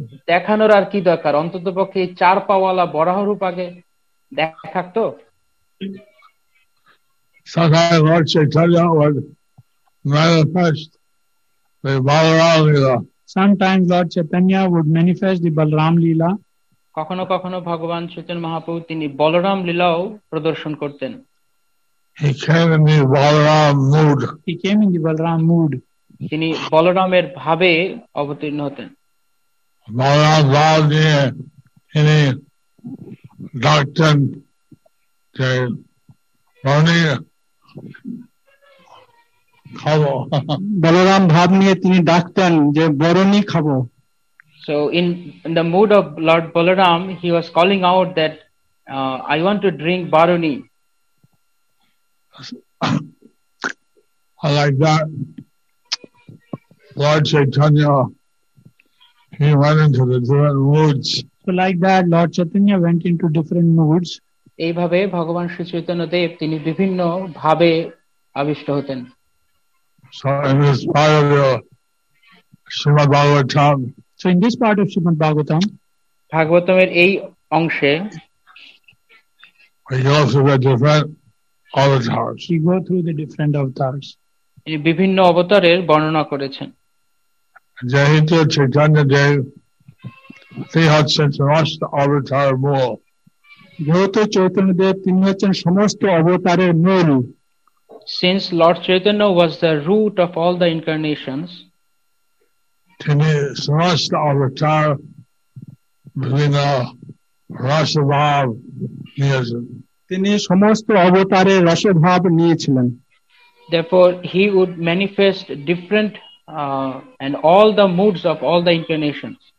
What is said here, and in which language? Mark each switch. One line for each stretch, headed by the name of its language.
Bangla: দেখানোর আর কি দরকার, অন্তত পক্ষে চার পাওয়ালা বরাহ রূপ আগে দেখাক তো।
English: Sometimes Lord Chaitanya would manifest the Balaram Leela. Sometimes Lord Chaitanya would manifest the Balaram Leela.
Bangla: কখনো কখনো ভগবান চৈতন্য মহাপ্রভু তিনি বলরাম লীলাও প্রদর্শন করতেন।
English: He came in the Balaram mood. He came in the Balaram mood.
Bangla: তিনি বলরামের ভাবে অবতীর্ণ হতেন। বলরাম ভাব নিয়ে তিনি ডাকতেন যে রানী খাবো। বলরাম ভাব নিয়ে তিনি ডাকতেন যে বরণী খাবো।
English: So in the mood of Lord Balaram, he was calling out that I want to drink Baruni. Like that, Lord Chaitanya, he went into the different moods. So like that, Lord Chaitanya went into different moods.
Bangla: এইভাবে ভগবান শ্রী চৈতন্য দেব তিনি বিভিন্ন ভাবে আবিষ্ট হতেন।
English: So in this part of the Srimad Bhagavatam, So in this part of Srimad Bhagavatam,
Bangla: Bhagavatamer ei onshe,
English: we go through the different avatars. We go through the different avatars.
Bangla: তিনি বিভিন্ন অবতারের বর্ণনা করেছেন। যেহেতু চৈতন্য দেব তিনি হচ্ছেন সমস্ত অবতার মূল, যেহেতু চৈতন্য দেব তিনি হচ্ছেন সমস্ত অবতারের মূল,
English: since Lord Chaitanya was the root of all the incarnations,
Bangla: তিনি সমস্ত অবতার বিভিন্ন রসভাব নিয়েছেন। তিনি সমস্ত অবতারে রসভাব নিয়েছিলেন।
English: Therefore, he would manifest different and all the moods of all the incarnations.